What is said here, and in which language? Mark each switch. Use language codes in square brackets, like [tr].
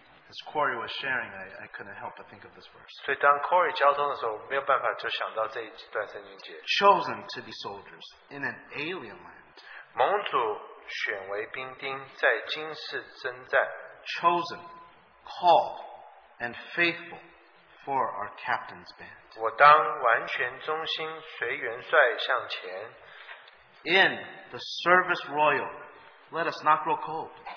[en] as Corey was sharing, I couldn't help but think of this verse. [zh] 所以当Corey交通的时候,没有办法就想到这一段圣经节。 [en] Chosen to be soldiers in an alien land. [zh] 蒙主选为兵丁在今世征战。 [en] Chosen, called, and faithful for our captain's band. [zh] 我当完全忠心随元帅向前, [en] in the service royal, let us not grow cold.